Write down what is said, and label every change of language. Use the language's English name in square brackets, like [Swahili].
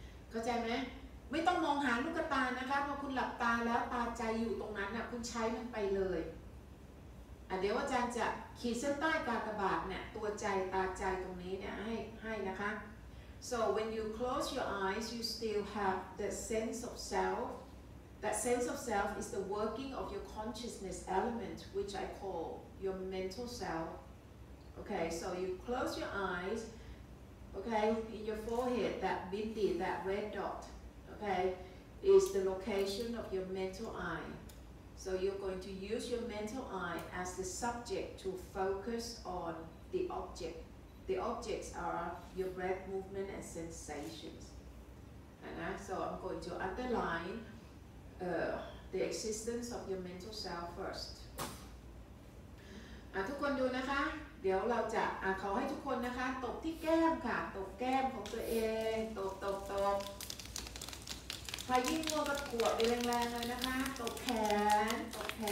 [Thai] เข้าใจไหมไม่ต้องมองหาลูกตานะคะพอคุณหลับตาแล้วตาใจอยู่ตรงนั้นน่ะคุณใช้มันไปเลยเดี๋ยวอาจารย์จะขีดเส้นใต้กากบาทเนี่ยตัวใจตาใจตรงนี้เนี่ยให้นะคะ [English] So when you close your eyes, you still have the sense of self. That sense of self is the working of your consciousness element, which I call your mental self. Okay, so you close your eyes, okay, in your forehead, that bindi, that red dot, okay, is the location of your mental eye. So you're going to use your mental eye as the subject to focus on the object. The objects are your breath movement and sensations. And so I'm going to underline the existence of your mental self first. [Thai] ทุกคนดูนะคะเดี๋ยวเราจะขอให้ทุกคนนะคะตบที่แก้มค่ะตบแก้มของตัวเองตบใครที่ง่วงก็ขวบไปแรงๆเลยนะคะตบแขนตบ